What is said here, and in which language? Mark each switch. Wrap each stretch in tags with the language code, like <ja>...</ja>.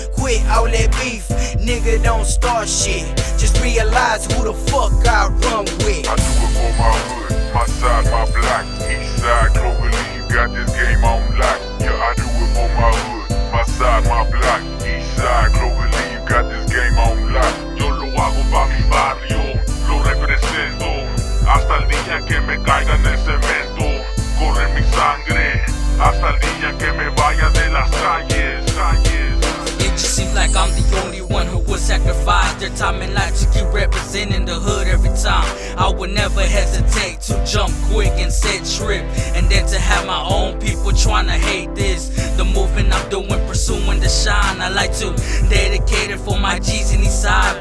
<en>Quit all that beef, nigga don't start shit. Just realize who the fuck I run with. I do it for my hood, my side, my block. Eastside Cloverleaf, you got this game on lock. Yeah, I do it for my hood, my side, my block. Eastside Cloverleaf, you got this game on lock.</en> <es>Yo lo hago pa' mi barrio, lo represento. Hasta el día que me caiga en el cemento. Corre mi sangre, hasta el día que me vaya de las calles, calles.</es> <en>It just seems like I'm the only one who would sacrifice their time and life to keep representing the hood every time. I would never hesitate to jump quick and set trip, and then to have my own people tryna hate this. The movement I'm doing, pursuing the shine. I like to dedicate it for my G's in Eastside.</en>